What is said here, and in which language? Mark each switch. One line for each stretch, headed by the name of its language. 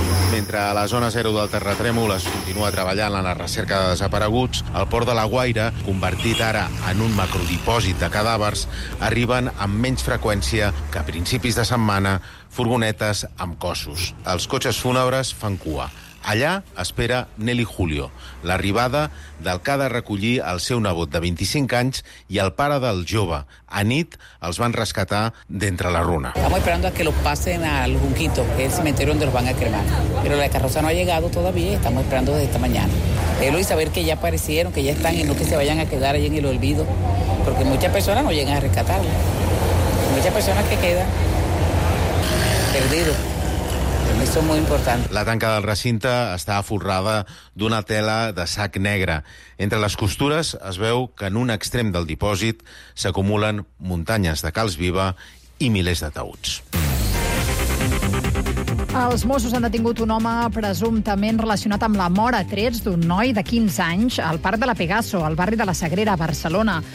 Catalan: Mentre a la zona zero del terratrèmol es continua treballant en la recerca de desapareguts, el port de La Guaira, convertit ara en un macrodipòsit de cadàvers, arriben amb menys freqüència que a principis de setmana furgonetes amb cossos. Els cotxes fúnebres fan cua. Allà espera Nelly Julio, l'arribada del que ha de recollir el seu nebot de 25 anys i el pare del jove. A nit els van rescatar d'entre la runa.
Spanish: Estamos esperando a que los pasen al Junquito, que es el cementerio donde los van a cremar. Pero la carroza no ha llegado todavía, estamos esperando desde esta mañana. Quiero saber que ya aparecieron, que ya están y no que se vayan a quedar ahí en el olvido, porque muchas personas no llegan a rescatarlo. Muchas personas que quedan perdidos.
Catalan: Això és molt important. La tanca del recinte està forrada d'una tela de sac negre. Entre les costures es veu que en un extrem del dipòsit s'acumulen muntanyes de calç viva i milers de taüts. Els Mossos han detingut un home presumptament relacionat amb la mort a trets d'un noi de 15 anys al parc de la Pegaso, al barri de la Sagrera, a Barcelona.